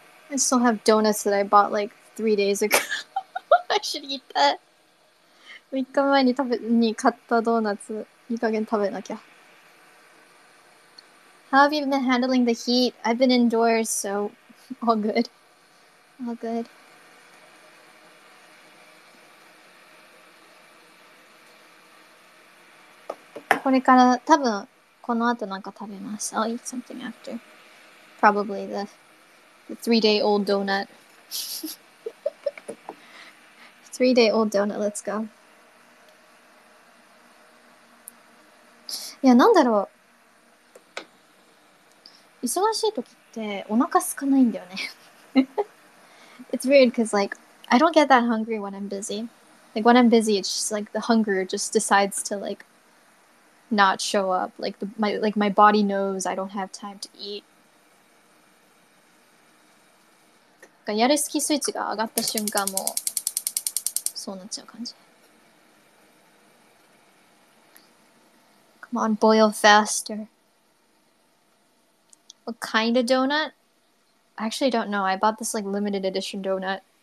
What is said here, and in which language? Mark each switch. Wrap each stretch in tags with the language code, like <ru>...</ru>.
<en>I still have donuts that I bought like 3 days ago. I should eat that.</en> <ja>3日前に食べに買ったドーナツ、いい加減食べなきゃ。</ja> <en>How have you been handling the heat? I've been indoors, so all good. All good.</en> <ja>これから多分この後なんか食べます。</ja> <en>I'll eat something after. Probably the 3 day old donut. 3 day old donut, let's go.</en> <ja>いや、なんだろう。忙しい時ってお腹空かないんだよね。</ja> <en>It's weird because like, I don't get that hungry when I'm busy. Like when I'm busy, it's just like the hunger just decides to like,not show up like the, my like my body knows I don't have time to eat.</en> <ja>やる気スイッチが上がった瞬間もそうなっちゃう感じ。</ja> <en>Come on, boil faster. What kind of donut? I actually don't know. I bought this like limited edition donut.</en>